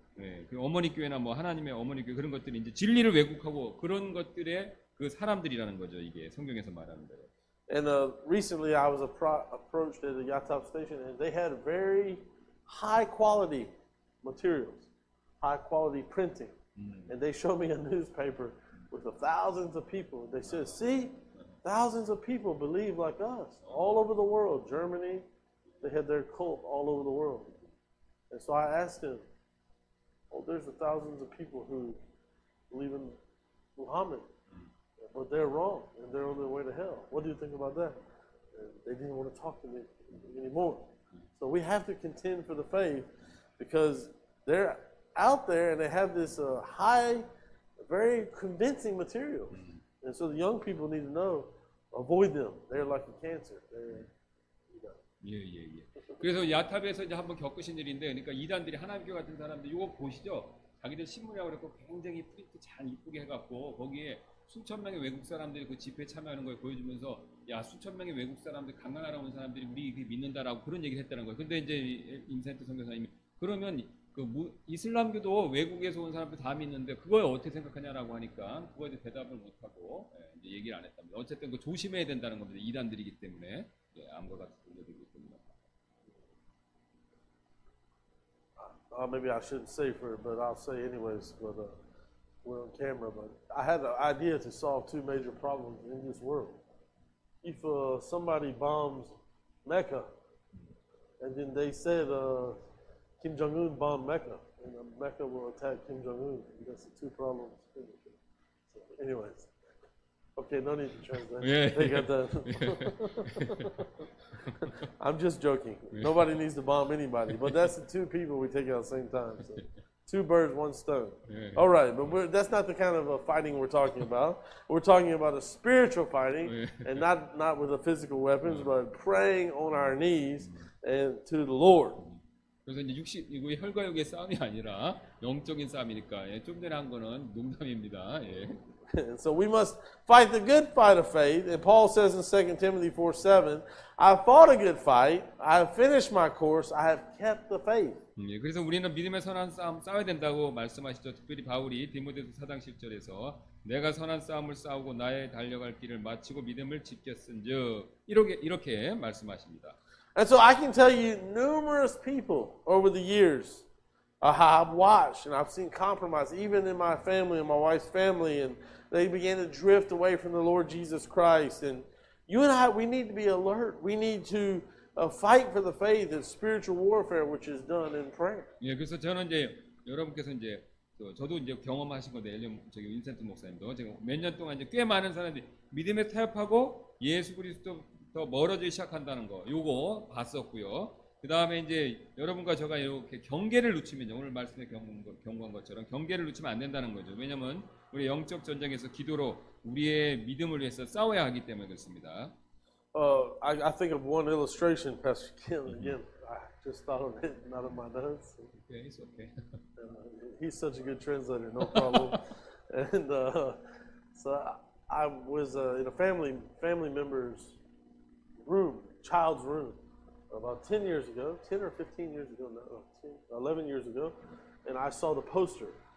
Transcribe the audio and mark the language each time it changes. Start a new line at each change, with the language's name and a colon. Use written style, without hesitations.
Korean: 네, 그 어머니 교회나 뭐 하나님의 어머니 교회 그런 것들이 이제 진리를 왜곡하고 그런 것들에 그 사람들이라는 거죠. 이게 성경에서 말하는 대로.
English: And recently I was approached at the Yatop station and they had very high quality materials. High quality printing. And they showed me a newspaper with thousands of people. They said, "See, thousands of people believe like us all over the world. Germany, they had their cult all over the world." And so I asked them, "Well, there's thousands of people who believe in Muhammad." But they're wrong, and they're on their way to hell. What do you think about that? And they didn't want to talk to me anymore. So we have to contend for the faith, because they're out there, and they have this high, very convincing material. And so the young people need to know, avoid them. They're like a cancer. They're, you know.
Korean: 예, 예, 예. 그래서 야탑에서 이제 한번 겪으신 일인데, 그러니까 이단들이 하나님교 같은 사람들, 이거 보시죠. 자기들 신문이라고 그랬고 굉장히 프린트 잘 이쁘게 해갖고 거기에 수천 명의 외국 사람들이 그 집회 참여하는 걸 보여주면서 야 수천 명의 외국 사람들 강간 알아온 사람들이 우리 이게 믿는다라고 그런 얘기를 했다는 거예요. 근데 이제 임센트 선교사님이 그러면 그 이슬람교도 외국에서 온 사람들 다 믿는데 그거에 어떻게 생각하냐라고 하니까 그거에 대해 대답을 못하고 이제 얘기를 안 했답니다. 어쨌든 그 조심해야 된다는 겁니다. 이단들이기 때문에 예, 암과 같은 분들이기 때문에.
English: Maybe I shouldn't say for it, but I'll say anyways. But we're on camera, but I had an idea to solve two major problems in this world. If somebody bombs Mecca, and then they said Kim Jong-un bombed Mecca, and Mecca will attack Kim Jong-un, and that's the two problems. So, anyways, okay, no need to translate. They got that. I'm just joking. Nobody needs to bomb anybody, but that's the two people we take at the same time. So. Two birds, one stone. Yeah. All right, but that's not the kind of a fighting we're talking about. We're talking about a spiritual fighting, and not with the physical weapons, but praying on our knees and to the Lord.
Korean: 그래서 이제 육신 이거 혈과 육의 싸움이 아니라 영적인 싸움이니까 예, 좀 전에 한 거는 농담입니다. 예.
English: So we must fight the good fight of faith. And Paul says in 2 Timothy 4:7, I fought a good fight. I have finished my course. I have kept the faith.
Korean: 예, 그래서 우리는 믿음의 선한 싸움 싸워야 된다고 말씀하시죠. 특별히 바울이 디모데서 4장 10절에서 내가 선한 싸움을 싸우고 나의 달려갈 길을 마치고 믿음을 지켰은즉 이렇게 말씀하십니다.
English: And so I can tell you numerous people over the years I've watched and I've seen compromise even in my family and my wife's family and they began to drift away from the Lord Jesus Christ and you and I, we need to be alert. We need to fight for the faith and spiritual warfare which is done in prayer.
Korean: 예, 그래서 저는 이제 여러분께서 이제 저도 이제 경험하신 건데 저기 윈센트 목사님도 지금 몇 년 동안 이제 꽤 많은 사람들이 믿음에 타협하고 예수 그리스도 더 멀어지기 시작한다는 거 요거 봤었고요. 그 다음에 이제 여러분과 제가 이렇게 경계를 놓치면 오늘 말씀에 경고한 것처럼 경계를 놓치면 안 된다는 거죠. 왜냐하면 우리 영적 전쟁에서 기도로 우리의 믿음을 위해서 싸워야 하기 때문에 그렇습니다.
English: I think of one illustration, Pastor Ken. Again, I just thought of it, not in my notes. Okay, it's okay. He's such a good translator, no problem. And so I was in a family member's room, child's room, about 10 years ago, 10 or 15 years ago, no, 10, 11 years ago, and I saw the poster.